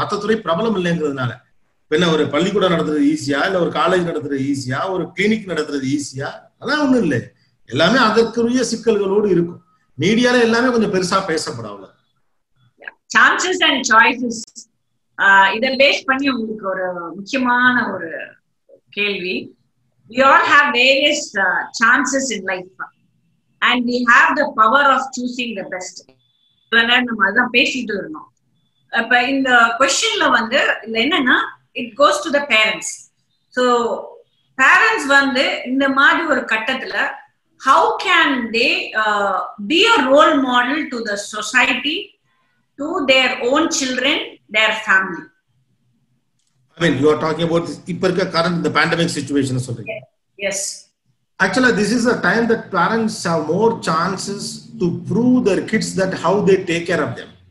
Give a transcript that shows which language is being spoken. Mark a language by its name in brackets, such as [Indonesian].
[Tamil] மற்ற துறை பிரபலம் இல்லைங்கிறதுனால, இப்ப என்ன ஒரு பள்ளிக்கூடம் நடத்துறது ஈஸியா, இல்ல ஒரு காலேஜ் நடத்துறது ஈஸியா, ஒரு கிளினிக் நடத்துறது ஈஸியா, அதெல்லாம் ஒண்ணும் இல்லை, எல்லாமே அதற்குரிய சிக்கல்களோடு இருக்கும். மீடியால எல்லாமே கொஞ்சம் பெருசா பேசப்படாவல. சான்சஸ் அண்ட் சாய்ஸஸ் இத பேஸ் பண்ணி உங்களுக்கு ஒரு முக்கியமான ஒரு கேள்வி. We all have various chances in life. [English] and we have the power of choosing the best. [Tamil] நம்ம அதான் பேசிட்டு இருந்தோம். அப்ப இந்த க்வெஸ்சன்ல வந்து என்னன்னா, it goes to the parents. [English] So parents வந்து இந்த மாதிரி ஒரு கட்டத்துல how can they be a role model to the society, to their own children, their family. I mean, you are talking about this, the pandemic situation. Yes. Yes. Actually, this is a time that parents have more chances to prove their kids that how they take care of them.